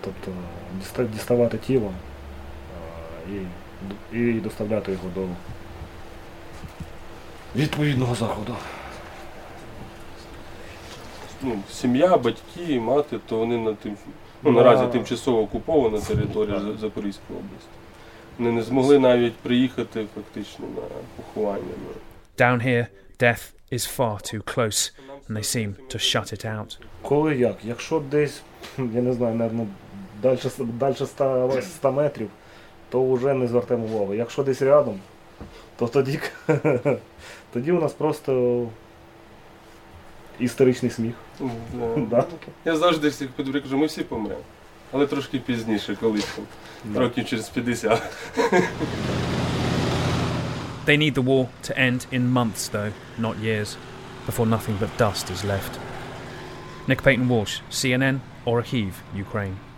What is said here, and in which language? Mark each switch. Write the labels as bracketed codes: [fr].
[uk] Тобто діставати тіло і доставляти його до відповідного заходу. Ну, сім'я, батьки, мати, то вони на тим, ну, наразі тимчасово окупована територія Запорізької області. Вони не змогли навіть приїхати фактично на поховання. [en] Down here, death is far too close, and they seem to shut it out. [uk] Коли як? Якщо десь, я не знаю, навіть далі 100 метрів, то вже не звертаємо увагу. Якщо десь рядом, то тоді у нас просто історичний сміх. Я завжди всіх підбрю, кажу, ми всі помремо. Але трошки пізніше, колись. Років через 50. [en] They need the war to end in months, though, not years, before nothing but dust is left. Nick Payton-Walsh, CNN, Orhiv, Ukraine.